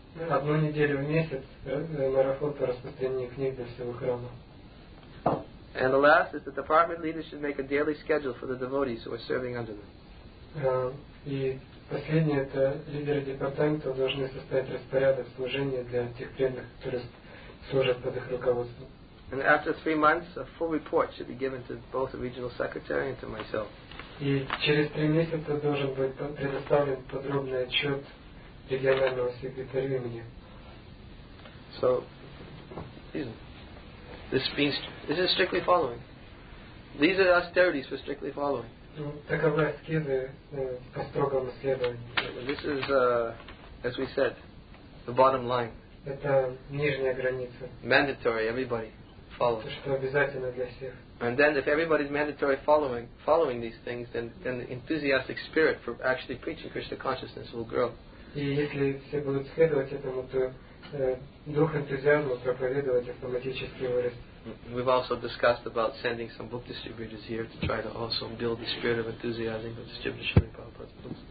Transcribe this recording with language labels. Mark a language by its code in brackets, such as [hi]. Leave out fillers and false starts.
[ru] Одну неделю в месяц марафон по распространению книг для всего храма. [en] And the last is the department leader should make a daily schedule for the devotees who are serving under them. [ru] И последнее, это лидеры департамента должны составить распорядок служения для тех преданных, которые служат под их руководством. [en] And after 3 months, a full report should be given to both the regional secretary and to myself. [ru] И через 3 месяца должен быть предоставлен подробный отчет регионального секретаря мне. [en] So, this is strictly following. These are austerities for strictly following. [ru] Таковы аскезы по строгому следованию. [en] This is, as we said, the bottom line. [ru] Это нижняя граница. [en] Mandatory, everybody follow. [ru] То, что обязательно для всех. [en] And then if everybody is mandatory following these things, then the enthusiastic spirit for actually preaching Krishna consciousness will grow. [ru] И если все будут следовать этому, то дух энтузиазма проповедовать автоматически вырастет. [en] We've also discussed about sending some book distributors here to try to also build the spirit of enthusiasm and distribute Srila Prabhupada's books.